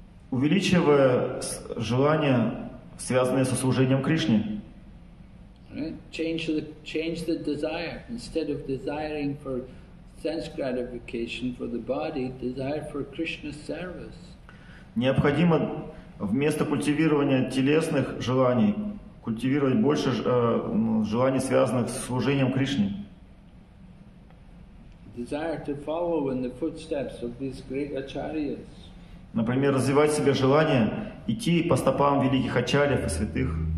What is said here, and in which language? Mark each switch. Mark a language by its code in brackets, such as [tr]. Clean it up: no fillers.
[ru] Увеличивая желания, связанные со служением Кришне. [en] Right? Change the desire. Instead of desiring for sense gratification for the body, desire for Krishna service. [ru] Необходимо вместо культивирования телесных желаний культивировать больше желаний, связанных с служением Кришне. [en] Desire to follow in the footsteps of these great acharyas. [ru] Например, развивать себе желание идти по стопам великих ачарьев и святых.